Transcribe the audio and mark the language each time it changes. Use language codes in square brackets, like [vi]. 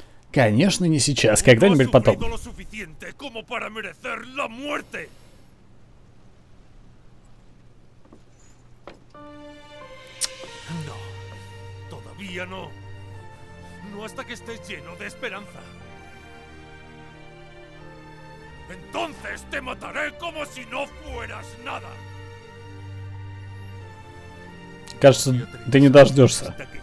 [ru] Конечно, не сейчас, когда-нибудь потом. [es] Como para merecer la muerte. No, todavía no. No hasta que estés lleno de esperanza. Entonces te mataré como si no fueras nada. [ru] Кажется, ты не дождешься.